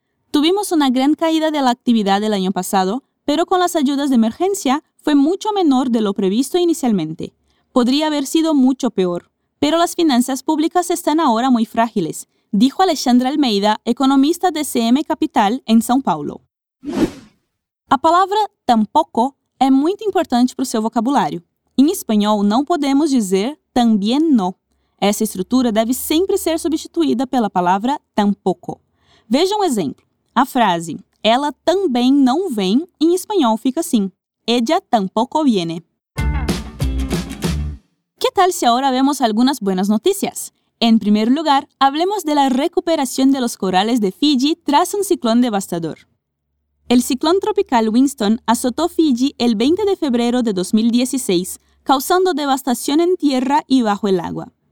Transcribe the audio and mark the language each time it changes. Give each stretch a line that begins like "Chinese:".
Spanish: Tuvimos una gran caída de la actividad el año pasado, pero con las ayudas de emergencia, fue mucho menor de lo previsto inicialmente. Podría haber sido mucho peor, pero las finanzas públicas están ahora muy frágiles, dijo Alexandra Almeida, economista de CM Capital en São Paulo.
Portuguese: A palavra tampoco é muito importante para o seu vocabulário. Em espanhol, não podemos dizer
Spanish: también no.
Portuguese: Essa estrutura deve sempre ser substituída pela palavra tampoco. Veja um exemplo. A frase ela também não vem, em espanhol fica assim.
Spanish: Ella tampoco viene. ¿Qué tal si ahora vemos algunas buenas noticias? En primer lugar, hablemos de la recuperación de los corales de Fiji tras un ciclón devastador. El ciclón tropical Winston azotó Fiji el 20 de febrero de 2016, causando devastación en tierra y bajo el agua.